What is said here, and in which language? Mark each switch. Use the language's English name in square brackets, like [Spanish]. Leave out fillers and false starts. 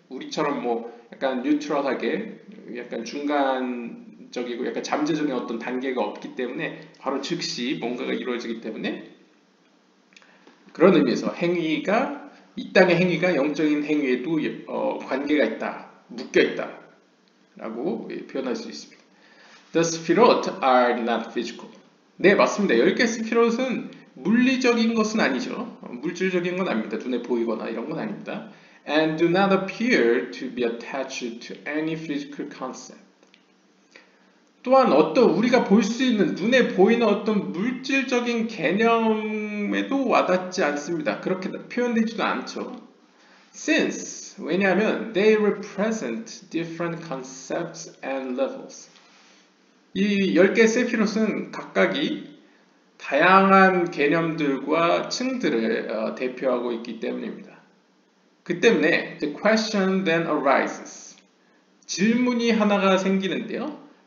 [Korean] 우리처럼 뭐 약간 뉴트럴하게 약간 중간적이고 약간 잠재적인 어떤 단계가 없기 때문에 바로 즉시 뭔가가 이루어지기 때문에 그런 의미에서 행위가 이 땅의 행위가 영적인 행위에도 관계가 있다, 묶여있다 라고 표현할 수 있습니다. [English] The spirit are not physical. [Korean] 네, 맞습니다. 10개 스피롯은 물리적인 것은 아니죠. 물질적인 건 아닙니다. 눈에 보이거나 이런 건 아닙니다. [English] And do not appear to be attached to any physical concept. [Korean] 또한 어떤 우리가 볼 수 있는 눈에 보이는 어떤 물질적인 개념에도 와닿지 않습니다. 그렇게 표현되지도 않죠. [English] Since, [Korean] 왜냐하면 [English] they represent different concepts and levels. [Korean] 이 10개의 세피롯은 각각이 다양한 개념들과 층들을 대표하고 있기 때문입니다. 그 때문에 [English] the question then arises. [Korean] 질문이 하나가 생기는데요.